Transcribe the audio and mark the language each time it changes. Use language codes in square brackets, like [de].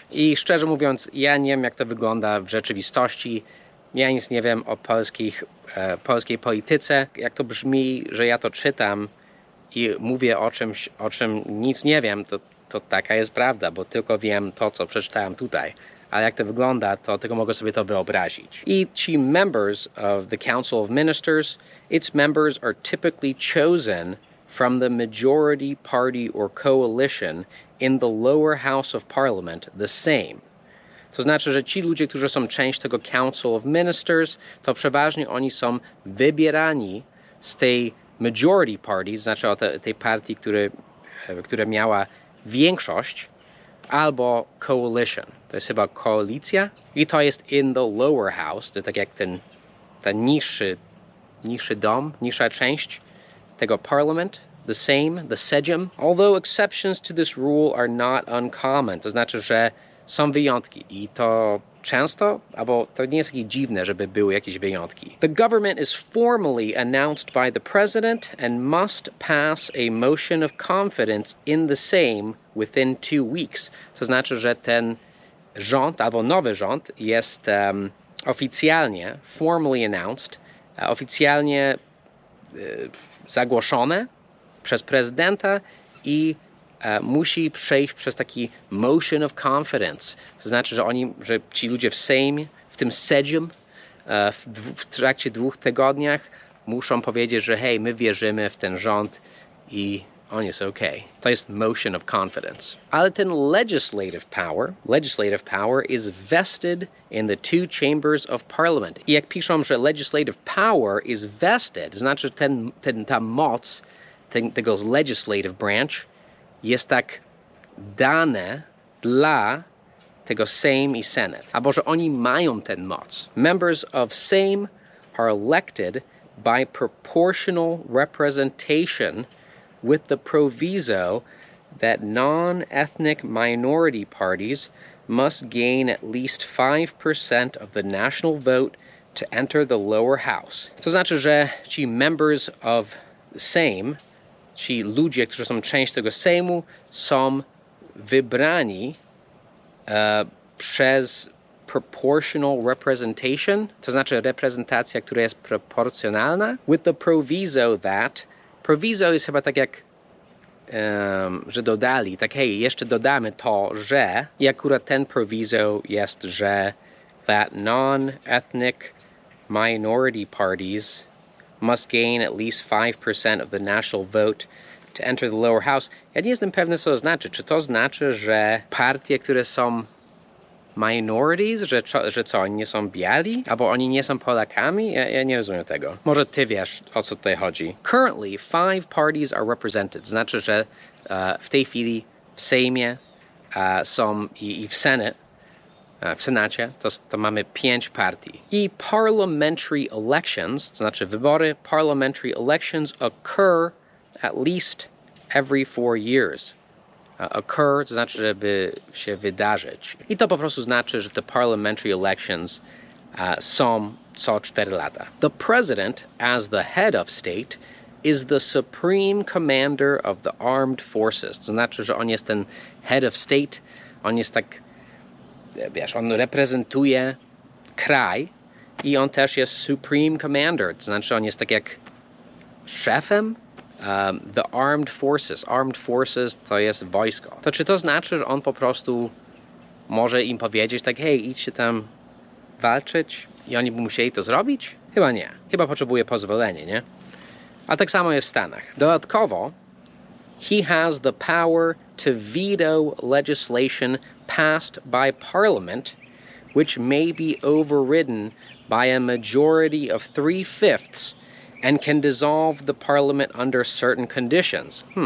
[pl] I szczerze mówiąc, ja nie wiem, jak to wygląda w rzeczywistości. Ja nic nie wiem o polskiej polityce. Jak to brzmi, że ja to czytam i mówię o czymś, o czym nic nie wiem, to taka jest prawda, bo tylko wiem to, co przeczytałem tutaj. Ale jak to wygląda, to tylko mogę sobie to wyobrazić. I ci [en] members of the Council of Ministers, its members are typically chosen from the majority party or coalition in the lower house of parliament, the same. [pl] To znaczy, że ci ludzie, którzy są część tego Council of Ministers, to przeważnie oni są wybierani z tej majority party, znaczy od tej partii, która miała większość, albo coalition. To jest chyba koalicja. I to jest in the lower house, to tak jak ten niższy dom, niższa część tego parliament. [en] The same, the sejm. Although exceptions to this rule are not uncommon. [pl] To znaczy, że są wyjątki. I to często, albo to nie jest takie dziwne, żeby były jakieś wyjątki. [en] The government is formally announced by the president and must pass a motion of confidence in the same within 2 weeks. [pl] To znaczy, że ten rząd, albo nowy rząd, jest oficjalnie, [en] formally announced, [pl] oficjalnie zagłoszone przez prezydenta i musi przejść przez taki motion of confidence. To znaczy, że oni, że ci ludzie w Sejmie, w tym sejm, w trakcie 2 tygodniach muszą powiedzieć, że hej, my wierzymy w ten rząd i on jest okej. To jest motion of confidence. Ale ten [en] legislative power is vested in the 2 chambers of parliament. [pl] I jak piszą, że [en] legislative power is vested, [pl] to znaczy, że ta moc tego legislative branch jest tak dane dla tego Sejm i Senat. Albo że oni mają ten moc. [en] Members of Sejm are elected by proportional representation with the proviso that non-ethnic minority parties must gain at least 5% of the national vote to enter the lower house. [pl] To znaczy, że ci members of Sejm, ci ludzie, którzy są część tego Sejmu, są wybrani przez proportional representation, to znaczy reprezentacja, która jest proporcjonalna, [en] with the proviso that, [pl] proviso jest chyba tak jak, że dodali, tak hej, jeszcze dodamy to, że, i akurat ten proviso jest, że [en] that non-ethnic minority parties must gain at least 5% of the national vote to enter the lower house. [pl] Ja nie jestem pewny, co to znaczy. Czy to znaczy, że partie, które są minorities, że co, oni nie są biali? Albo oni nie są Polakami? Ja nie rozumiem tego. Może ty wiesz, o co tutaj chodzi. [en] Currently, 5 parties are represented. [pl] Znaczy, że w tej chwili w Sejmie są i w Senate, w Senacie, to mamy 5 partii. [en] I parliamentary elections, [pl] to znaczy wybory, [en] parliamentary elections occur at least every 4 years. [pl] Occur, to znaczy, żeby się wydarzyć. I to po prostu znaczy, że [en] the parliamentary elections [pl] są co 4 lata. [en] The president, as the head of state, is the supreme commander of the armed forces. [pl] To znaczy, że on jest ten head of state, on jest tak, wiesz, on reprezentuje kraj i on też jest supreme commander. To znaczy, on jest tak jak szefem the armed forces. Armed forces to jest wojsko. To czy to znaczy, że on po prostu może im powiedzieć tak, hej, idźcie tam walczyć i oni by musieli to zrobić? Chyba nie. Chyba potrzebuje pozwolenia, nie? A tak samo jest w Stanach. [en] Dodatkowo, he has the power to veto legislation passed by parliament, which may be overridden by a majority of 3/5 and can dissolve the parliament under certain conditions.